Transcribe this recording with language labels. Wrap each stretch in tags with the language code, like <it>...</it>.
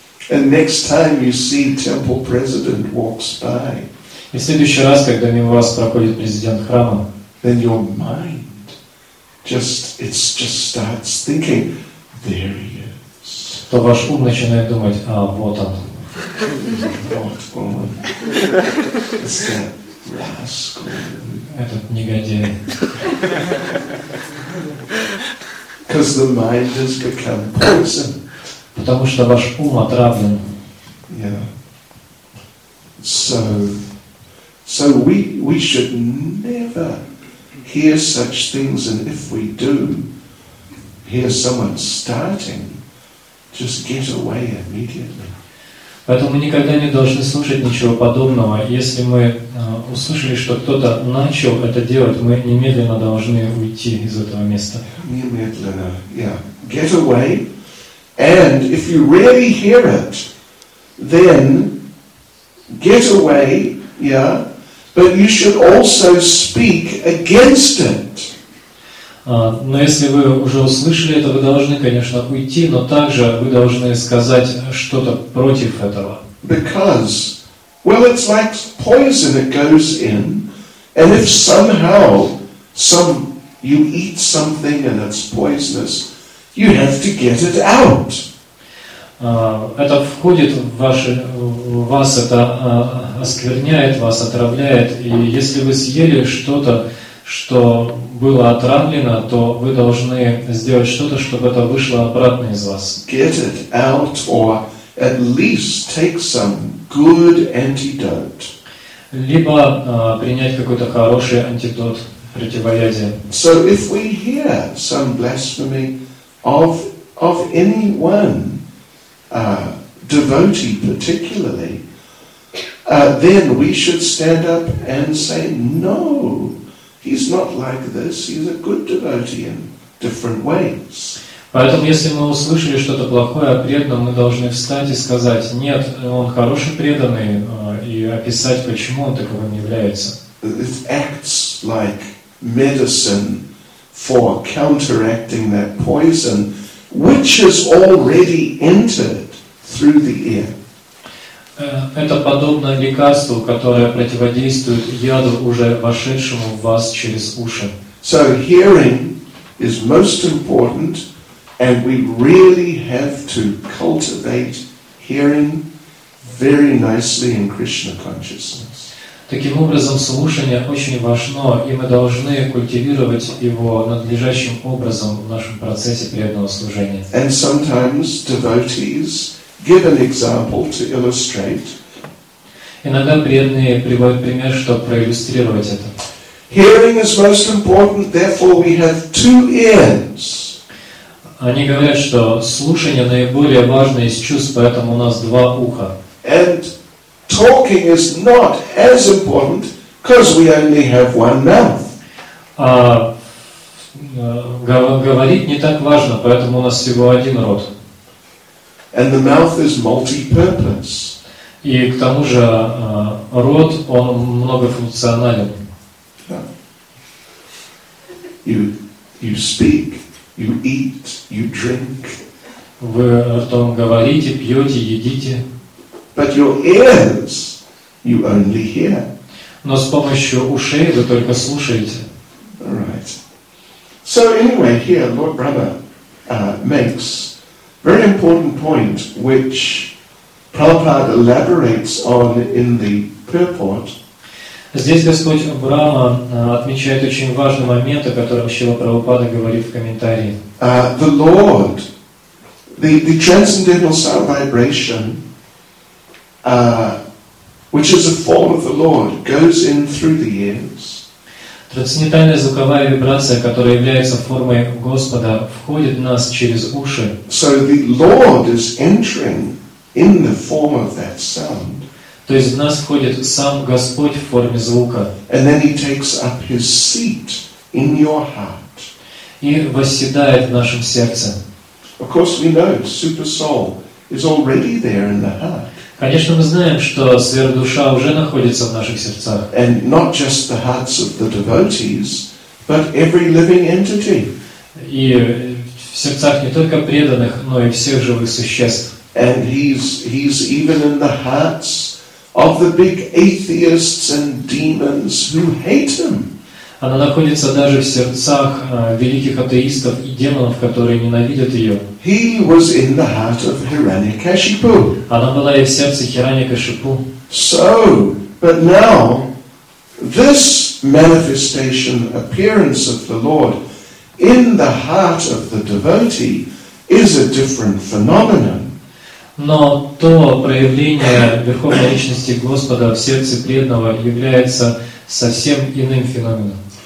<en>And next time you see temple president walks by,</en> <ru>и в следующий раз, когда мимо вас проходит президент храма,</ru> <en>then your mind just, it just starts thinking, there he is.</en> <ru>То ваш ум начинает думать, а вот он.</ru> <en>What woman? It's that rascal.</en> <ru>Этот негодяй.</ru> <en>Because the mind has become poison.</en> <ru>Потому что ваш ум отравлен.</ru> <en>Yeah. So we should never hear such things, and if we do hear someone starting, just get away immediately.</en> <ru>Поэтому мы никогда не должны слушать ничего подобного. Если мы услышали, что кто-то начал это делать, мы немедленно должны уйти из этого места. Немедленно, yeah.</ru> <en>Get away, and if you really hear it, then get away, yeah. But you should also speak against it. Но если вы уже услышали это, вы должны, конечно, уйти, но также вы должны сказать что-то против этого. Because, well, it's like poison that goes in, and if somehow some you eat something and it's poisonous, you have to get it out.</en> <ru>Это входит в ваше, вас, это оскверняет вас, отравляет. И если вы съели что-то, что было отравлено, то вы должны сделать что-то, чтобы это вышло обратно из вас.</ru> <en>Get it out, or at least take some good antidote.</en> <ru>Либо принять какой-то хороший антидот, противоядие.</ru> <en>So if we hear some blasphemy of anyone, devotee particularly, then we should stand up and say, no, he's not like this, he's a good devotee in different ways.</en> <ru>Поэтому, если мы услышали что-то плохое о преданном, мы должны встать и сказать, нет, он хороший преданный, и описать, почему он таковым является.</ru> <en>It acts like medicine for counteracting that poison, which has already entered through the ear.</en> <ru>Это подобно лекарству, которое противодействует яду, уже вошедшему в вас через уши.</ru> <en>So hearing is most important, and we really have to cultivate hearing very nicely in Krishna consciousness.</en> <ru>Таким образом, слушание очень важно, и мы должны культивировать его надлежащим образом в нашем процессе преданного служения.</ru> <en>And sometimes devotees give an example to illustrate.</en> <ru>Иногда преданные приводят пример, чтобы проиллюстрировать это.</ru> <en>Hearing is most important, therefore we have two ears.</en> <ru>Они говорят, что слушание наиболее важно из чувств, поэтому у нас два уха.</ru> <en>And talking is not as important, because we only have one mouth.</en> <ru>Говорить не так важно, поэтому у нас всего один рот.</ru> <en>And the mouth is multi-purpose.</en> <ru>И к тому же рот, он многофункционален.</ru> <en>You speak, you eat, you drink.</en> <ru>Вы ртом говорите, пьете, едите.</ru> <en>But your ears, you only hear.</en> <ru>Но с помощью ушей вы только слушаете.</ru> <en>Right. So anyway, here Lord Brahma makes very important point, which Prabhupada elaborates on in the purport.</en> <ru>Здесь Господь Брама отмечает очень важный момент, о котором Шрила Прабхупада говорит в комментарии.</ru> <en>The Lord, the transcendental sound vibration, which is a form of the Lord, goes in through the ears.</en> <ru>Трансцендентальная звуковая вибрация, которая является формой Господа, входит в нас через уши.</ru> <en>So the Lord is entering in the form of that sound.</en> <ru>То есть в нас входит сам Господь в форме звука.</ru> <en>And then he takes up his seat in your heart.</en> <ru>И восседает в нашем сердце.</ru> <en>Of course we know super soul is already there in the heart.</en> <ru>Конечно, мы знаем, что сверхдуша уже находится в наших сердцах.</ru> <en>And not just the hearts of the devotees, but every living entity.</en> <ru>И в сердцах не только преданных, но и всех живых существ.</ru> <en>And he's even in the hearts of the big atheists and demons who hate him.</en> <ru>Она находится даже в сердцах великих атеистов и демонов, которые ненавидят ее.</ru> <en>He was in the heart of Hiranyakashipu.</en> <ru>Она была и в сердце Хираньякашипу.</ru> <en>So, but now this manifestation, appearance of the Lord in the heart of the devotee is a different phenomenon.</en> <ru>Но то проявление Верховной Личности Господа в сердце преданного является совсем иным феноменом.</ru>